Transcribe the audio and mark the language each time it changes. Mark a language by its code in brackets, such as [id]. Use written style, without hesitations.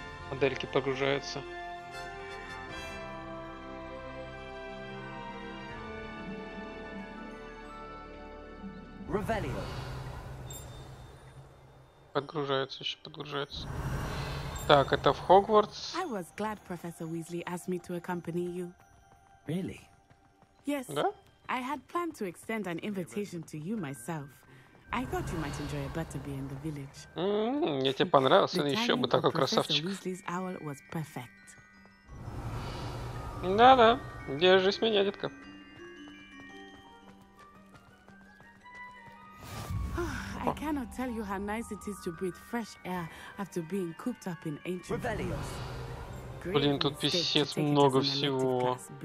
[ru] Модельки погружаются. Подгружается, еще подгружается. Так, это в Хогвартс. [en] I was glad Professor Weasley asked me to accompany you. Really? Yes. [ru] Да? [en] I had planned to extend an invitation to you myself. I thought you might enjoy a butterbeer in the village. [ru] Мне тебе понравился, еще бы такой красавчик. [en] Professor Weasley's owl was perfect. [ru] Да-да, держись меня, детка. [en] I cannot tell you how nice it is to breathe fresh air after being cooped up in ancient Rebellious. [ru] Блин, тут писец много всего.